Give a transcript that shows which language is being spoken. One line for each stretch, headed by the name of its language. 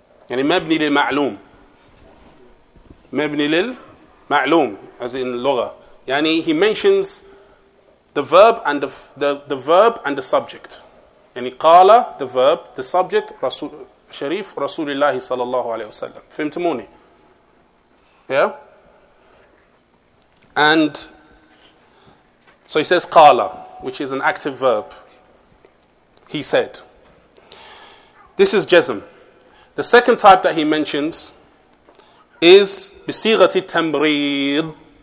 Arabic: يعني مبني للمعلوم مبني للمعلوم
English: as in
Arabic: اللغة. يعني
English: he mentions the verb and the verb and the subject.
Arabic: يعني قال
English: the verb, the subject
Arabic: رسول شريف رسول الله صلى الله عليه وسلم. فهمتموني؟
English: Yeah. And so he says قال, which is an active verb. He said. This is جزم. The second type that he mentions is بصيغتي التمريض.